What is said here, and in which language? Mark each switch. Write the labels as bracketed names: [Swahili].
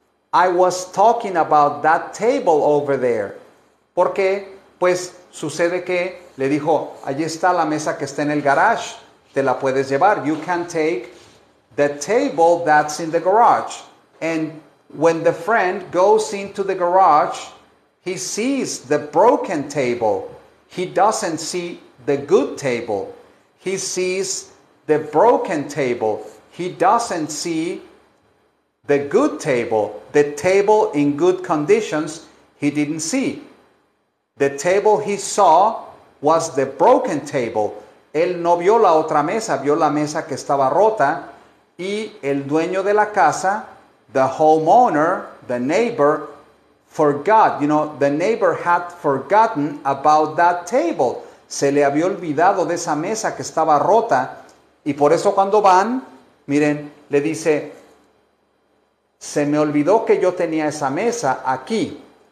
[English] I was talking about that table over there. [Spanish] ¿Por qué? Pues sucede que le dijo, allí está la mesa que está en el garage, te la puedes llevar. [English] You can take the table that's in the garage. And when the friend goes into the garage, he sees the broken table. He doesn't see the good table. He sees the broken table. He doesn't see the good table. The table in good conditions, he didn't see. The table he saw was the broken table. [Spanish] Él no vio la otra mesa, vio la mesa que estaba rota. Y el dueño de la casa, [English] the homeowner, the neighbor, forgot. You know, the neighbor had forgotten about that table. [Spanish] Se le había olvidado de esa mesa que estaba rota. Y por eso cuando van, miren, le dice, se me olvidó que yo tenía esa mesa aquí.